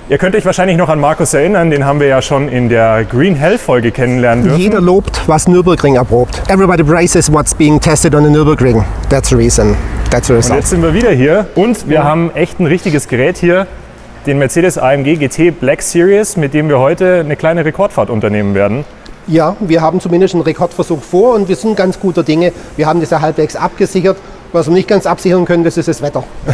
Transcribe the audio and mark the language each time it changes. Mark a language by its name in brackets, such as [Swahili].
[German] Ihr könnt euch wahrscheinlich noch an Markus erinnern, den haben wir ja schon in der Green Hell Folge kennenlernen dürfen. Jeder lobt, was Nürburgring erprobt. [English] Everybody praises what's being tested on the Nürburgring. That's the reason. That's the result. [German] Und jetzt sind wir wieder hier und wir haben echt ein richtiges Gerät hier, den Mercedes AMG GT Black Series, mit dem wir heute eine kleine Rekordfahrt unternehmen werden. Ja, wir haben zumindest einen Rekordversuch vor und wir sind ganz guter Dinge. Wir haben das ja halbwegs abgesichert. Was wir nicht ganz absichern können, das ist das Wetter.